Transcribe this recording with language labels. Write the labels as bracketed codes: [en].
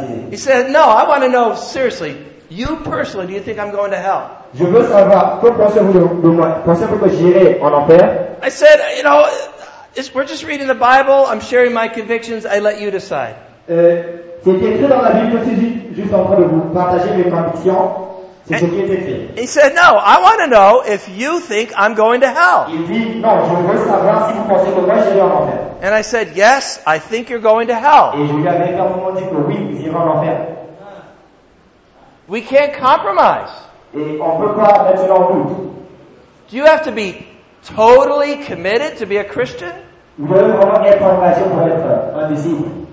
[en] He said, no, I want to know, seriously, you personally, do you think I'm going to hell? I said, you know, we're just reading the Bible. I'm sharing my convictions. I let you decide. [fr] C'est écrit dans la Bible, je suis juste en train de vous partager mes convictions. C'est ce qui est écrit. [en] He said, no, I want to know if you think I'm going to hell. [fr] Il dit, non, je veux savoir si vous pensez que moi j'irai en enfer. [en] And I said, yes, I think you're going to hell. [fr] Et je lui avais clairement dit que oui, vous irez en enfer. [en] We can't compromise. [fr] Et on peut pas mettre ça en doute. [en] Do you have to be totally committed to be a Christian? [fr] Vous devez vraiment être en relation pour être un disciple.